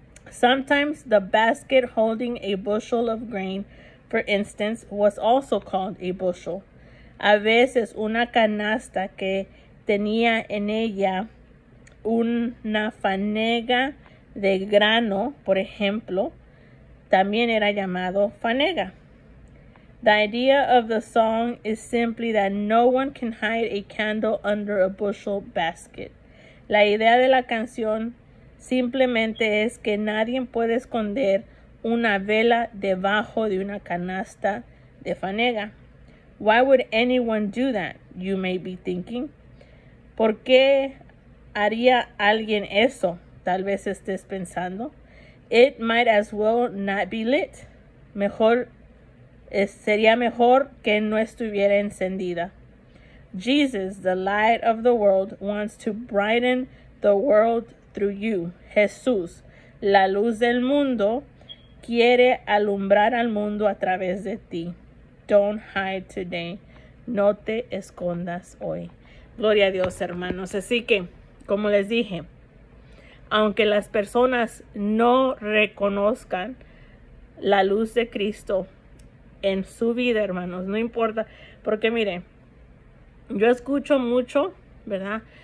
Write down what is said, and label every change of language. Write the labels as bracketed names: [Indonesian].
[English] Sometimes the basket holding a bushel of grain, for instance, was also called a bushel. [Spanish] A veces una canasta que tenía en ella una fanega de grano, por ejemplo, también era llamado fanega. [English] The idea of the song is simply that no one can hide a candle under a bushel basket. [Spanish] La idea de la canción simplemente es que nadie puede esconder una vela debajo de una canasta de fanega. [English] Why would anyone do that? You may be thinking. [Spanish] ¿Por qué haría alguien eso? Tal vez estés pensando. [English] It might as well not be lit. [Spanish] Mejor sería mejor que no estuviera encendida. [English] Jesus, the light of the world, wants to brighten the world through you. [Spanish] Jesús, la luz del mundo, quiere alumbrar al mundo a través de ti. [English] Don't hide today. [Spanish] No te escondas hoy. Gloria a Dios, hermanos. Así que, como les dije, aunque las personas no reconozcan la luz de Cristo en su vida, hermanos, no importa, porque mire, yo escucho mucho, ¿verdad?